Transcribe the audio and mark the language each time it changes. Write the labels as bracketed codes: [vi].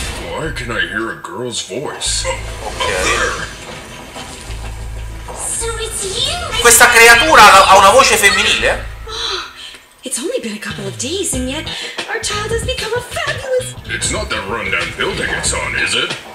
[en] Why can I hear a girl's voice? Okay. [it] Questa creatura ha una voce femminile? [en] It's only been a couple of days and yet our child has become a fabulous. It's not the rundown building it's on, is it?